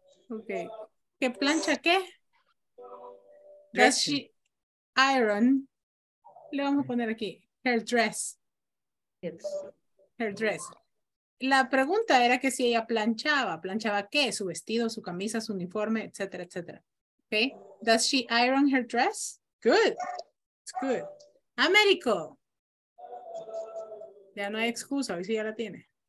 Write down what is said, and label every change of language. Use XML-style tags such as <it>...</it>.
<es>Okay. ¿Qué plancha qué?</es> <en>Dressing. Does she iron?</en> <es>Le vamos a poner aquí.</es> <en>Her dress. Yes. Her dress.</en> <es>La pregunta era que si ella planchaba. ¿Planchaba qué? Su vestido, su camisa, su uniforme, etcétera, etcétera.</es> <en>Okay. Does she iron her dress? Good. It's good. Américo,</en> <es>Ya no hay excusa, hoy sí ya la tiene.</es>